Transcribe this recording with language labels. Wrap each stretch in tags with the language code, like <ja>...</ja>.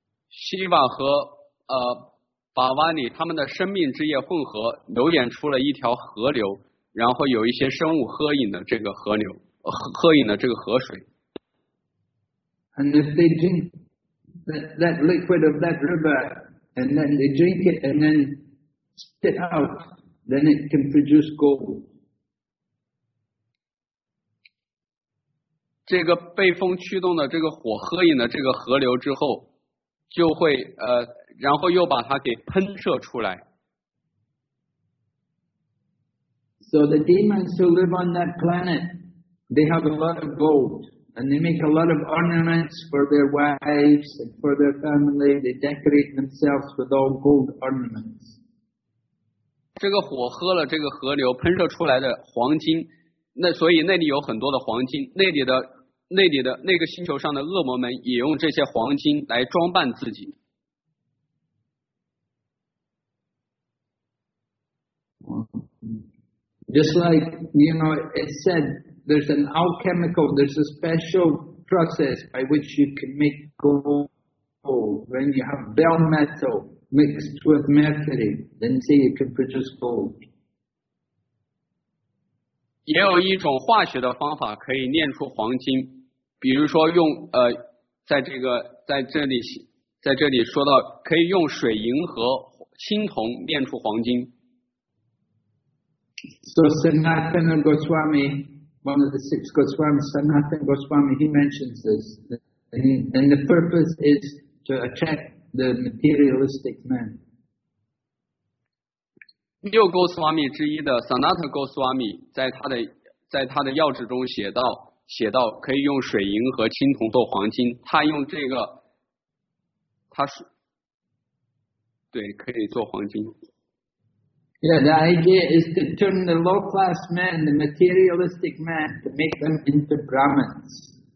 <zh>Shiva 和巴瓦尼他们的生命之液混合流演出了一条河流，然后有一些生物喝饮了这个河流，喝饮了这个河水。</zh> <en>And if they drink that liquid of that river, and then they drink it and then spit out, then it can produce gold.</en> <zh>这个被风驱动的这个火喝饮了这个河流之后，就会然后又把它给喷射出来。</zh> <en>So the demons who live on that planet, they have a lot of gold, and they make a lot of ornaments for their wives and for their family. They decorate themselves with all gold ornaments.</en> <zh>这个火喝了这个河流喷射出来的黄金，那所以那里有很多的黄金。那里的那个星球上的恶魔们也用这些黄金来装扮自己。</zh> <en>Just like, you know, it said there's an alchemical, there's a special process by which you can make gold. When you have bell metal mixed with mercury, then say you can produce gold.</en> <zh>也有一种化学的方法可以炼出黄金，比如说用在这里说到可以用水银和青铜炼出黄金。</zh> <en>So Sanatana Goswami, one of the six Goswamis, Sanatana Goswami, he mentions this. And the purpose is to attract the materialistic man.</en> <zh>六 Goswami 之一的 Sanatana Goswami 在他的要旨中写到可以用水银和青铜做黄金。他用这个，他是，对，可以做黄金。</zh> <en>Yeah, the idea is to turn the low-class man, the materialistic man, to make them into Brahmins.</en>